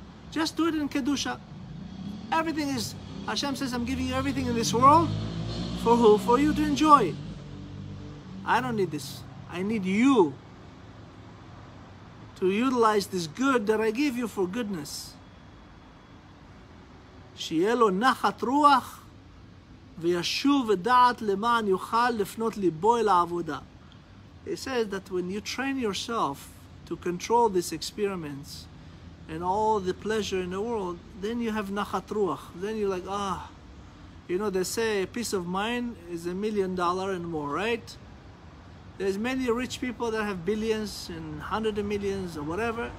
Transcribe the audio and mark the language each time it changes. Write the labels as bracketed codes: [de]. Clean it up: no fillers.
[en] Just do it in Kedusha. Everything is, Hashem says, I'm giving you everything in this world for who? For you to enjoy. I don't need this. I need you to utilize this good that I give you for goodness. [he] שיהיה לו נחת רוח וישוב ודעת למען יוכל לפנות ליבו אל העבודה. [en] He says that when you train yourself to control these experiments and all the pleasure in the world, then you have נחת רוח. Then you're like, ah. You know, they say a peace of mind is $1 million and more, right? There's many rich people that have billions and hundreds of millions or whatever.